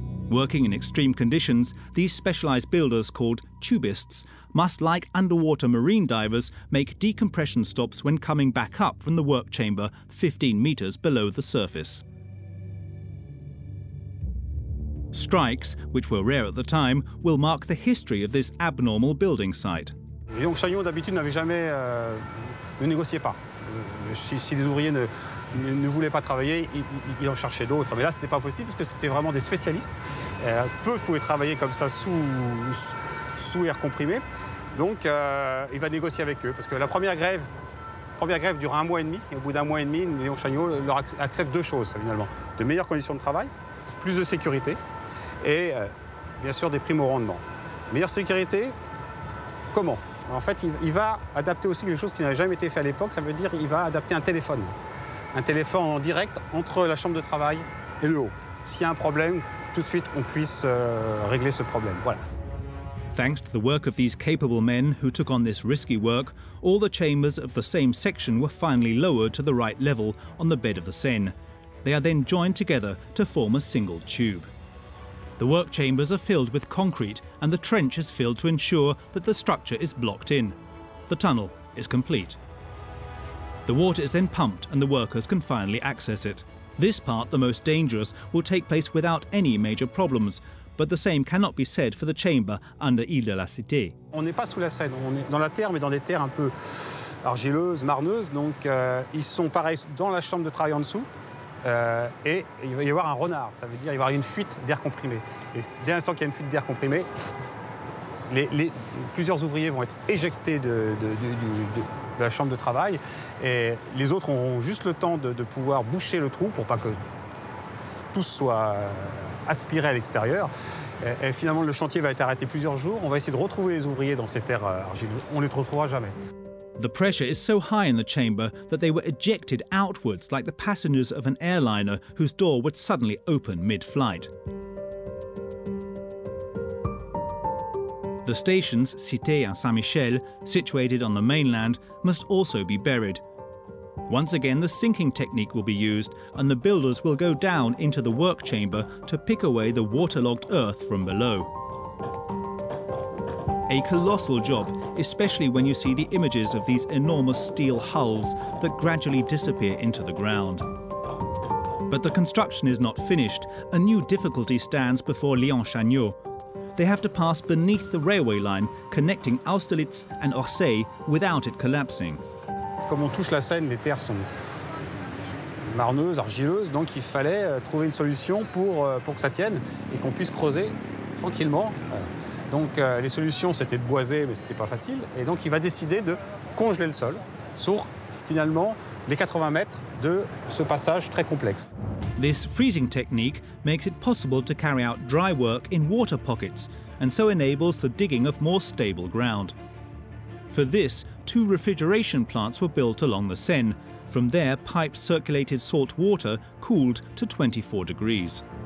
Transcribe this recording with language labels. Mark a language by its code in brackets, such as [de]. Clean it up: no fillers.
[en] Working in extreme conditions, these specialized builders, called tubists, must, like underwater marine divers, make decompression stops when coming back up from the work chamber 15 meters below the surface. Strikes, which were rare at the time, will mark the history of this abnormal building site. [fr] Les chaînons d'habitude n'avaient jamais ne négociaient pas. Si les ouvriers ne voulaient pas travailler, ils en cherchaient d'autres. Mais là, c'était pas possible parce que c'était vraiment des spécialistes. Peu pouvaient travailler comme ça sous air comprimé. Donc, il va négocier avec eux parce que la première grève dure un mois et demi. Et au bout d'un mois et demi, les chaînons leur acceptent deux choses finalement: de meilleures conditions de travail, plus de sécurité et bien sûr des primes au rendement. Meilleure sécurité, comment? En fait, il va adapter aussi quelque chose qui n'avait jamais été fait à l'époque, ça veut dire qu'il va adapter un téléphone. Un téléphone en direct entre la chambre de travail et le haut. S'il y a un problème, tout de suite on puisse régler ce problème. Voilà. [en] Thanks to the work of these capable men who took on this risky work, all the chambers of the same section were finally lowered to the right level on the bed of the Seine. They are then joined together to form a single tube. The work chambers are filled with concrete and the trench is filled to ensure that the structure is blocked in. The tunnel is complete. The water is then pumped and the workers can finally access it. This part, the most dangerous, will take place without any major problems, but the same cannot be said for the chamber under Île de la Cité. [fr] On n'est pas sous la Seine, on est dans la terre, mais dans des terres un peu argileuses, marneuses, donc ils sont pareils dans la chambre de travail en dessous. Et il va y avoir un renard, ça veut dire qu'il va y avoir une fuite d'air comprimé. Et dès l'instant qu'il y a une fuite d'air comprimé, plusieurs ouvriers vont être éjectés de la chambre de travail et les autres auront juste le temps de pouvoir boucher le trou pour pas que tout soit aspiré à l'extérieur. Et finalement, le chantier va être arrêté plusieurs jours. On va essayer de retrouver les ouvriers dans ces terres argileuses. On ne les retrouvera jamais. [en] The pressure is so high in the chamber that they were ejected outwards like the passengers of an airliner whose door would suddenly open mid-flight. The stations, Cité and Saint-Michel, situated on the mainland, must also be buried. Once again, the sinking technique will be used and the builders will go down into the work chamber to pick away the waterlogged earth from below. A colossal job, especially when you see the images of these enormous steel hulls that gradually disappear into the ground. But the construction is not finished. A new difficulty stands before Lyon-Chagnon. They have to pass beneath the railway line connecting Austerlitz and Orsay without it collapsing. [fr] Comme on touche la Seine, les terres sont marneuses, argileuses, donc il fallait trouver une solution pour que ça tienne et qu'on puisse creuser tranquillement. Donc les solutions, c'était de boiser, mais ce n'était pas facile. Et donc il va décider de congeler le sol sur, finalement, les 80 mètres de ce passage très complexe. [en] This freezing technique makes it possible to carry out dry work in water pockets and so enables the digging of more stable ground. For this, two refrigeration plants were built along the Seine. From there, pipes circulated salt water cooled to 24 degrees.